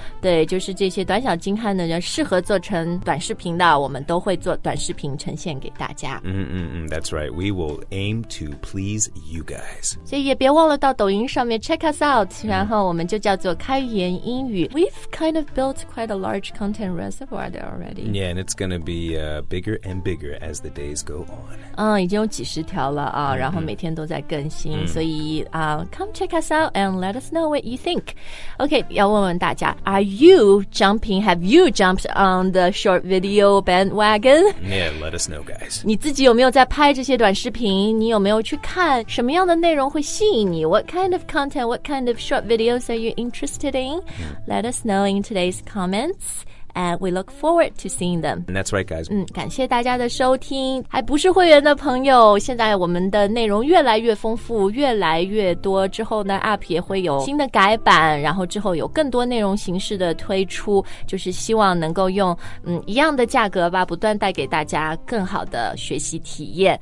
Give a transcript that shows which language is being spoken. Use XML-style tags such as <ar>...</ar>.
<zh>对就是这些短小精悍的人适合做成短视频那我们都会做短视频呈现给大家。</zh> <en>That's right. We will aim to please you guys.</en> <zh>所以也别忘了到抖音上面</zh> <en>check us out.</en> <zh>然后我们就叫做开言英语。</zh> <en>We've kind of built quite a large content reservoir there already. Yeah, and it's going to be bigger and bigger as the days go on.</en> <zh>已经有几十条了啊，然后每天都在更新。所以</zh> <en>come check us out and let us know what you think. Okay,</en> <zh>要问问大家</zh> <en>，Are you jumping? Have you jumped on the short video? Bandwagon. Yeah, let us know, guys.</en> <zh>你自己有没有在拍这些短视频？你有没有去看什么样的内容会吸引你 ？</zh> <en>What kind of content? What kind of short videos are you interested in? Let us know in today's comments, and we look forward to seeing them. And that's right, guys.</en> <zh>感谢大家的收听。还不是会员的朋友，现在我们的内容越来越丰富，越来越多。之后呢 ，App 也会有新的改版，然后之后有更多内容形式的推出，就是希望能够用一样的价格吧，不断带给大家更好的学习体验。</zh>